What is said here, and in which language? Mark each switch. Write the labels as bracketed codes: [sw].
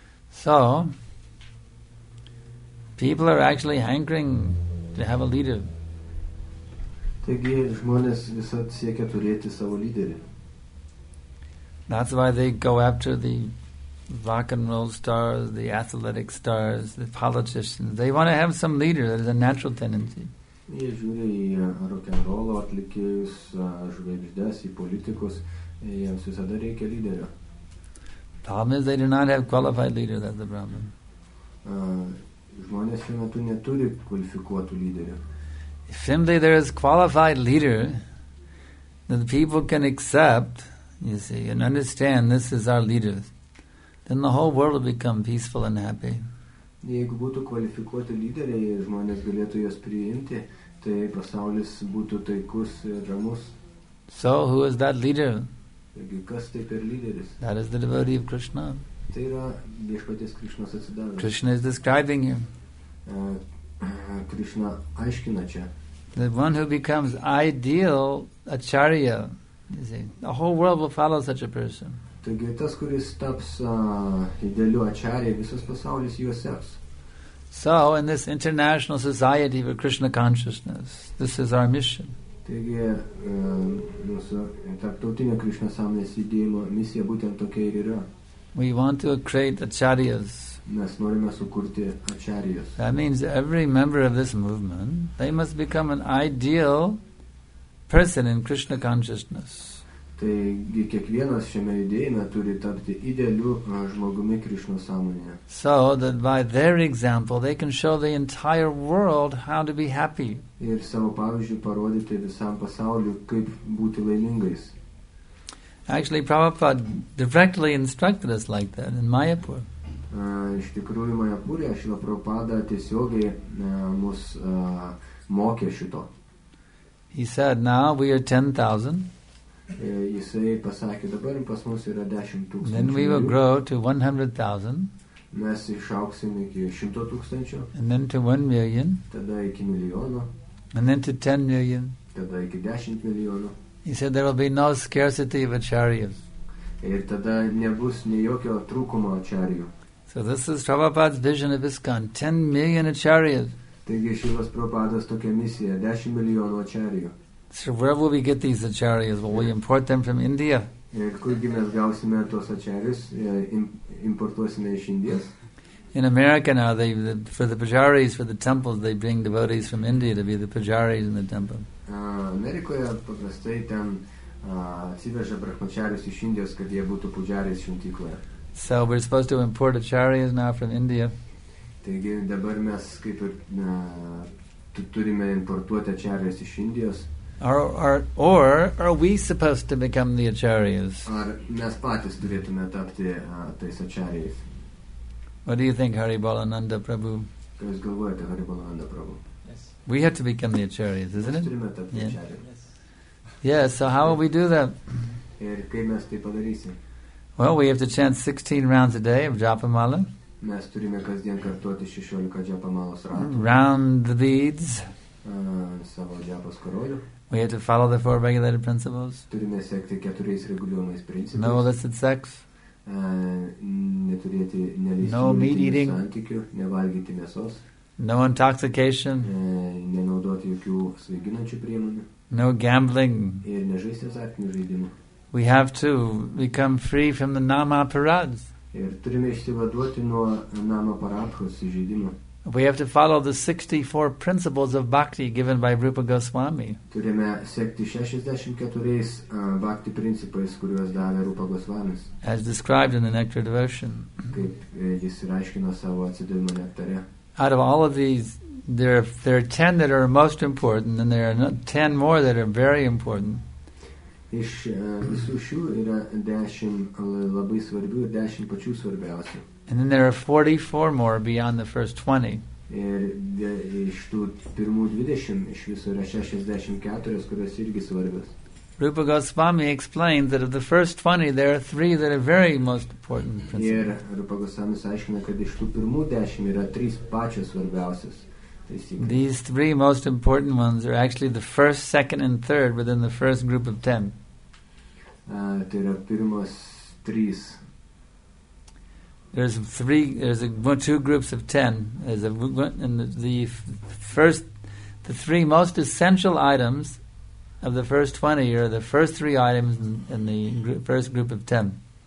[en] So, people are actually hankering to have a leader. [lt] Taigi, žmonės visat siekia turėti savo lyderį. [en] That's why they go after the rock and roll stars, the athletic stars, the politicians. They want to have some leader. That is a natural tendency. [lt] Jie žiūri į rock and roll atlikėjus, žvaigždes, į politikus. Jiems visada reikia lyderio. [en] Problem is they do not have qualified leader. That's the problem. [lt] Žmonės šiuo metu neturi kvalifikuotų lyderių. [en] If simply there is qualified leader that the people can accept, you see, and understand this is our leader, then the whole world will become peaceful and happy. [lt] Jeigu būtų kvalifikuoti lyderiai, žmonės galėtų juos priimti, tai pasaulis būtų taikus ir ramus. [en] So, who is that leader? [lt] Taigi, kas tai per lyderis? [en] That is the devotee of Krishna. [lt] Tai yra viešpaties Krishnos atsidavėlis. [en] Krishna is describing him. [lt] Krishna aiškina čia. [en] The one who becomes ideal acharya, you see, the whole world will follow such a person. [lt] Taigi tas, kuris taps idealiu acharya, visas pasaulis juos seks. [en] So, in this international society for Krishna consciousness, this is our mission. [lt] Taigi, mūsų tarptautinio Krishna sąmonės judėjimo misija būtent tokia ir yra. [en] We want to create acharyas. [lt] Mes norime sukurti acharyas. [en] That means every member of this movement, they must become an ideal person in Krishna consciousness. [lt] Taigi kiekvienas šiame judėjime turi tapti idealiu žmogumi Krishna sąmonėje. [en] So that by their example they can show the entire world how to be happy. [lt] Ir savo pavyzdžiu parodyti visam pasauliu kaip būti laimingais. [en] Actually, Prabhupada directly instructed us like that in Mayapur. [lt] Iš tikrųjų, Mayapur, Šrila Prabhupada tiesiogiai mus mokė šito. [en] He said, now we are 10,000. [lt] Jisai pasakė, dabar pas mus yra 10,000. [en] Then we will grow to 100,000. [lt] Mes išauksim iki 100,000. [en] And then to 1 million. [lt] Tada iki milijono. [en] And then to 10 million. [lt] Tada iki 10 milijono. [en] He said there will be no scarcity of acharyas. [lt] Ir tada nebus nei jokio trūkumo acharyų. [en] So this is Prabhupada's vision of ISKCON, 10 million acharyas. [lt] Taigi Šrilas Prabhupadas tokia misija, 10 milijonų acharyų. [en] So where will we get these acharyas? Will we import them from India? [lt] Ir kurgi mes gausime tos acharyas, importuosime iš Indijos? [en] In America now, they, for the pujaris, for the temples, they bring devotees from India to be the pujaris in the temple. [lt] Amerikoje paprastai ten atsiveža brahmacharius iš Indijos, kad jie būtų pujaris šventykloje. [en] So we're supposed to import acharyas now from India. [lt] Taigi dabar mes kaip ir turime importuoti acharyas iš Indijos. [en] Or are we supposed to become the acharyas? [lt] Ar mes patys turėtume tapti tais acharyais? [en] What do you think, Haribalananda Prabhu? [lt] Kas galvojate, Haribalananda Prabhu? [en] Yes. We have to become the acharyas, isn't it? [lt] Turime tapti acharyas. [en] Yes, so how will we do that? [lt] Ir kaip mes tai padarysim? [en] Well, we have to chant 16 rounds a day of Japamala. [lt] Mes turime kasdien kartuoti 16 Japamalos ratų. [en] Round the beads. [lt] Savo Japos karolių. [en] We have to follow the four regulated principles. [lt] Turime sekti keturiais reguliuojamais principais. [en] No illicit sex. [lt] neturėti neleistinų santykių, nevalgyti mėsos, [en] no intoxication, [lt] nenaudoti jokių svaiginančių priemonių, [en] no gambling. [lt] Ir nežaisti azartinių žaidimų. [en] We have to become free from the nama parads. [lt] Ir turime išsivaduoti nuo nama parapros žaidimų. [en] We have to follow the 64 principles of bhakti given by Rupa Goswami. [lt] Turime sekti 64 bhakti principais, kuriuos davė Rupa Goswamis. [en] As described in the Nectar Devotion. [lt] Kaip jis reiškino savo atsidavimo nektare. [en] Out of all of these, there are 10 that are most important, and there are 10 more that are very important. [lt] Iš visų šių yra 10 labai svarbių ir 10 pačių svarbiausių. [en] And then there are 44 more beyond the first 20. [lt] Ir iš tų pirmų 20, iš viso yra 64, kurios irgi svarbios. [en] Rupa Goswami explains that of the first 20, there are three that are very most important principles. [lt] Ir Rupa Goswami aiškina, kad iš tų pirmų 10 yra trys pačios svarbiausios. [en] These three most important ones are actually the first, second, and third within the first group of 10. [lt] Tai yra pirmos trys. [en] There's two groups of 10. The three most essential items of the first 20 are the first three items in the first group of 10.